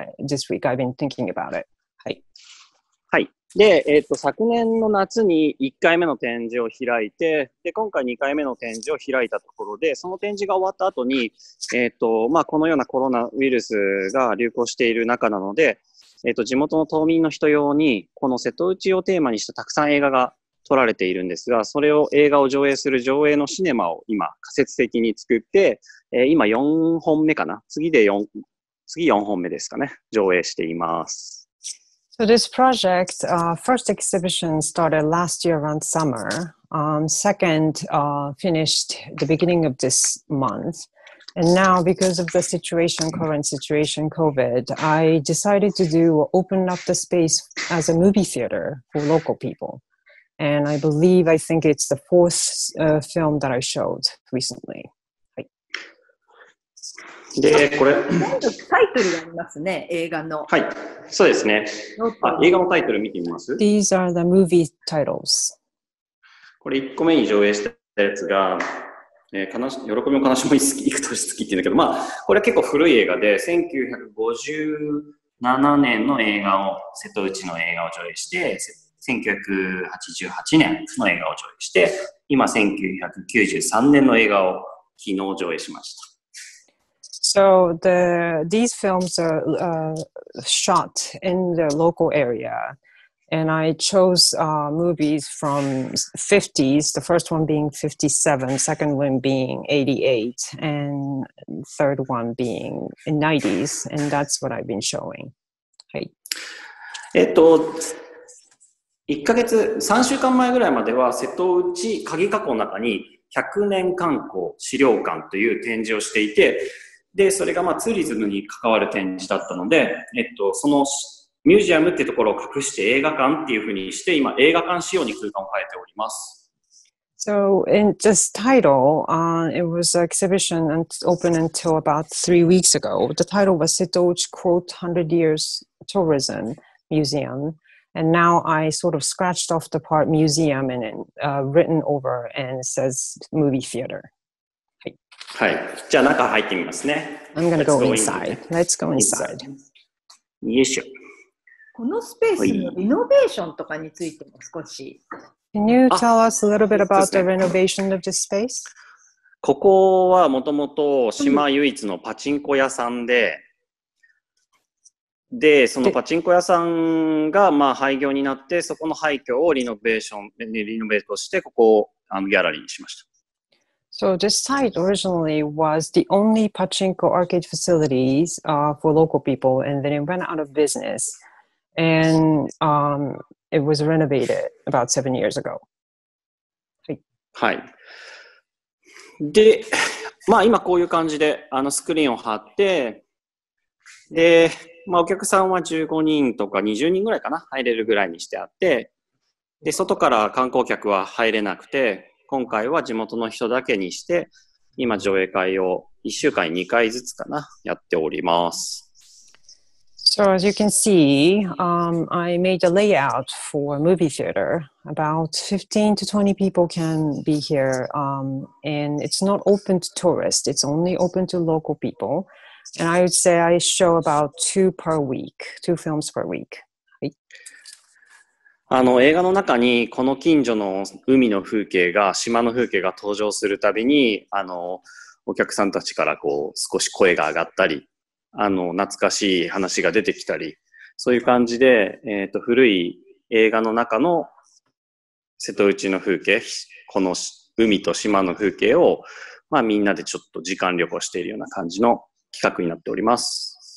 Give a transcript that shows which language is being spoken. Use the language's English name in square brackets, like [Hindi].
[English] This week I've been thinking about it. [Japanese] はい。はい。で、昨年の夏に1回目の展示を開いて、で、今回2回目の展示を開いたところで、その展示が終わった後に、このようなコロナウイルスが流行している中なので、地元の島民の人用に、この瀬戸内をテーマにしたたくさん映画が撮られているんですが、それを映画を上映する上映のシネマを今仮設的に作って、今4本目かな、次4本目ですかね、上映しています。 [English] So this project, first exhibition started last year around summer. Second, finished the beginning of this month. And now because of the situation, current situation, COVID, I decided to do open up the space as a movie theater for local people. And I believe, I think it's the fourth film that I showed recently. [Japanese] はい。で、これ。タイトルありますね、映画の。はい。そうですね。あ、映画のタイトル見てみます？ [English] These are the movie titles. [Japanese] これ1個目に上映したやつが、喜びも悲しみも幾年月っていうんだけど、まあ、これは結構古い映画で、1957年の映画を、瀬戸内の映画を上映して、1988年の映画を上映して、今1993年の映画を昨日上映しました。 [English] So these films are shot in the local area, and I chose movies from 50s, the first one being 57, second one being 88, and third one being in 90s, and that's what I've been showing. [Japanese] はい。 3週間前ぐらいまでは瀬戸内鍵加工の中に100年観光資料館という展示をしていて、で、それがまあツーリズムに関わる展示だったので、そのミュージアムってところを隠して映画館っていうふうにして、今映画館仕様に空間を変えております。 [English] So, in this title, it was an exhibition open until about 3 weeks ago. The title was 瀬戸内 quote 100 years tourism museum. And now I sort of scratched off the part museum and written over and it says movie theater. [Japanese] はい。はい。じゃあ中入ってみますね。 [English] I'm gonna go inside. Let's go inside. [Japanese] よいしょ。このスペースのリノベーションとかについても少し。 [English] Can you tell us a little bit about the renovation of this space? [Japanese] ここはもともと島唯一のパチンコ屋さんで、で、そのパチンコ屋さんがまあ廃業になって、そこの廃墟をリノベートして、ここをギャラリーにしました。 [English] So this site originally was the only pachinko arcade facilities for local people, and then it went out of business, and it was renovated about 7 years ago. [Japanese] はい。はい。で、まあ今こういう感じでスクリーンを貼って、で、まあ、お客さんは15人とか20人ぐらいかな、入れるぐらいにしてあって、で外から観光客は入れなくて、今回は地元の人だけにして、今上映会を1週間に2回ずつかな、やっております。 [English] So as you can see, I made a layout for a movie theater. About 15 to 20 people can be here. And it's not open to tourists. It's only open to local people. And I would say I show about two films per week. [Japanese] あの映画の中にこの近所の海の風景が、島の風景が登場するたびに、あのお客さんたちからこう少し声が上がったり、あの懐かしい話が出てきたり、そういう感じで、古い映画の中の瀬戸内の風景、この海と島の風景を、まあ、みんなでちょっと時間旅行しているような感じの企画になっております。